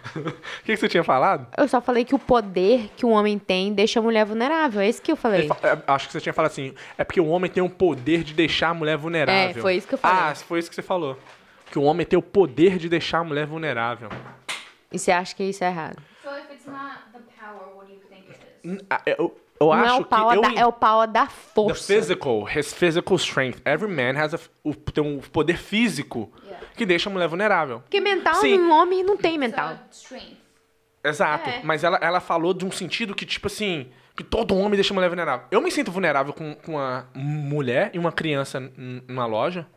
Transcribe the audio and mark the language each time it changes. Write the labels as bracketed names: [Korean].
[Portuguese] O que você tinha falado? Eu só falei que o poder que um homem tem deixa a mulher vulnerável, é isso que eu falei. Acho que você tinha falado assim, é porque o homem tem o poder de deixar a mulher vulnerável. É, foi isso que eu falei. Ah, foi isso que você falou. Que o homem tem o poder de deixar a mulher vulnerável. E você acha que isso é errado? [English] So if it's not the power, what do you think it is? [Portuguese] Eu acho não é o power que é o power da força. [English] The physical, his physical strength. Every man has [Portuguese] tem um poder físico que deixa a mulher vulnerável. Porque mental, um homem não tem mental. [English] Strength. [Portuguese] Exato. É. Mas ela falou de um sentido que, tipo assim, que todo homem deixa a mulher vulnerável. Eu me sinto vulnerável com uma mulher e uma criança numa loja.